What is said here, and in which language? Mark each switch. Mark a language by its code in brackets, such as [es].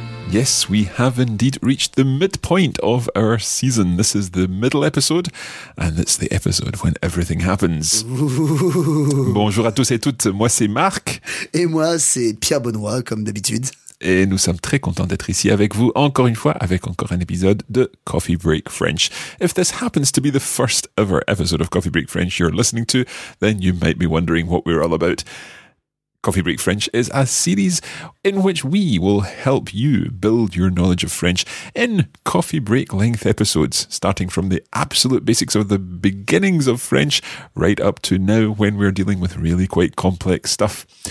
[en] Yes, we have indeed reached the midpoint of our season. This is the middle episode, and it's the episode when everything happens. Ooh. [fr] Bonjour à tous et toutes, moi c'est Marc. Et moi c'est Pierre Benoît, comme d'habitude. Et nous sommes très contents d'être ici avec vous encore une fois, avec encore un épisode de Coffee Break French. [en] If this happens to be the first ever episode of Coffee Break French you're listening to, then you might be wondering what we're all about. Coffee Break French is a series in which we will help you build your knowledge of French in coffee break length episodes, starting from the absolute basics of the beginnings of French right up to now when we're dealing with really quite complex stuff.